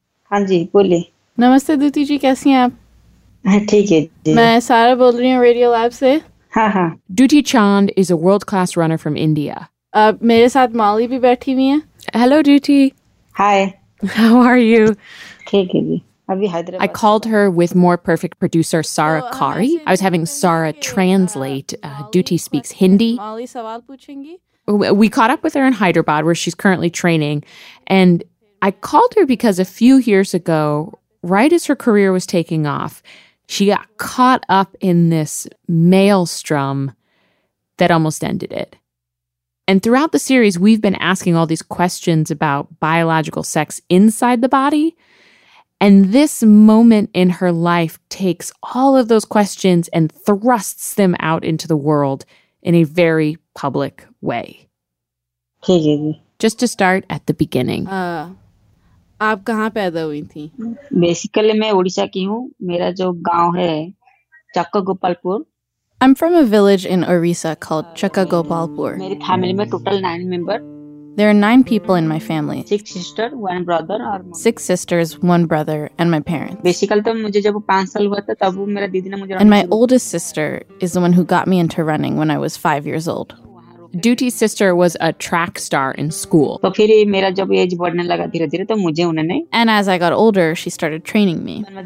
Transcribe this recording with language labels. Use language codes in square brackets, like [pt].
[hi] हांजी, bully. Namaste, Duti ji, kaisi hain aap? ठीक है जी. Main Sara bol rahi hoon Radio Lab se. Haha. [en] Duti Chand is a world-class runner from India. [hi] Mere saath Molly bhi baithi hui hai. [en] Hello, Duti. Hi. How are you? [hi] ठीक है जी. अभी Hyderabad. [en] I called her with more perfect producer Sara Kari. I was having Sara translate. Duti speaks Hindi. [hi] Molly sawal puchengi. [en] We caught up with her in Hyderabad, where she's currently training, and I called her because a few years ago, right as her career was taking off, she got caught up in this maelstrom that almost ended it. And throughout the series, we've been asking all these questions about biological sex inside the body, and this moment in her life takes all of those questions and thrusts them out into the world in a very public way. Just to start at the beginning. [hi] आप कहाँ पैदा हुई थी? Basically, मैं उड़ीसा की हूँ. मेरा जो गांव है चक्कगोपालपुर. [en] I'm from a village in Orissa called Chakkagopalpur. [hi] मेरी फैमिली में [en] total 9 member. There are 9 people in my family. 6 sister, 1 brother और 6 sisters, 1 brother and my parents. [hi] Basically, तो मुझे जब 5 साल हुआ था तब मेरा दीदी ने मुझे [en] and my oldest sister is the one who got me into running when I was 5 years old. Duty's sister was a track star in school. And as I got older, she started training me.